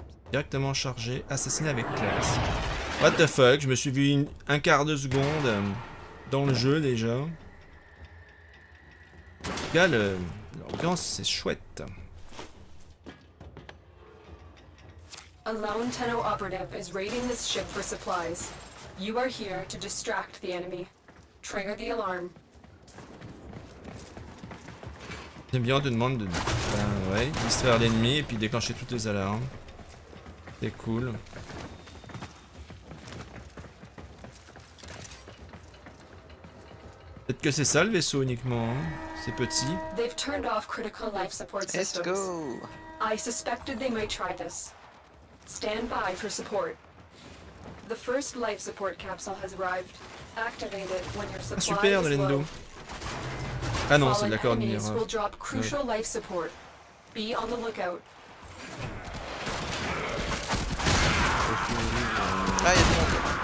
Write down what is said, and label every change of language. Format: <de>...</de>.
<fr>Directement chargé, assassiné avec classe.</fr> <en>What the fuck,</en> <fr>je me suis vu un quart de seconde dans le jeu déjà. En tout cas, l'ambiance c'est chouette.</fr> <en>A lone Tenno operative is raiding this ship for supplies. You are here to distract the enemy. Trigger the alarm.</en> <fr>J'aime bien de demander de distraire l'ennemi et puis déclencher toutes les alarmes. C'est cool. Peut-être que c'est ça le vaisseau uniquement, hein. C'est petit.</fr> <en>They've turned off critical life support systems. Let's go. I suspected they might try this. Stand by for support. The first life support capsule has arrived. Activate it when your supply super, is low.</en> <fr>Ah non, c'est de la coordonnée.</fr> <en>Will drop crucial life support. Be on the lookout.</en> <fr>Ah, y'a des monstres.</fr>